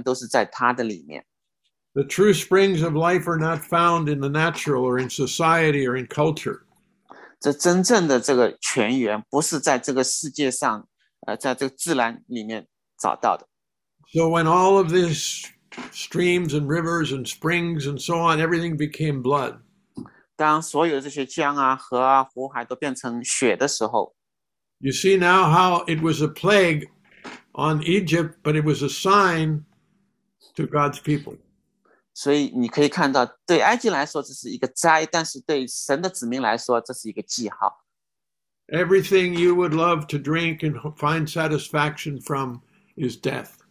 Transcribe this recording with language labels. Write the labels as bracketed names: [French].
[Chinese] 要知道，我们所有这个泉源都是在他的里面。 [English] The true springs of life are not found in the natural or in society or in culture. [Chinese] 这真正的这个泉源不是在这个世界上，在这个自然里面找到的。 [English] So when all of these streams and rivers and springs and so on, everything became blood. [Chinese] 当所有这些江啊、河啊、湖海都变成血的时候， [English] You see now how it was a plague on Egypt, but it was a sign to God's people. [Chinese] 所以你可以看到，对埃及来说这是一个灾，但是对神的子民来说这是一个记号。 [English] Everything you would love to drink and find satisfaction from is death.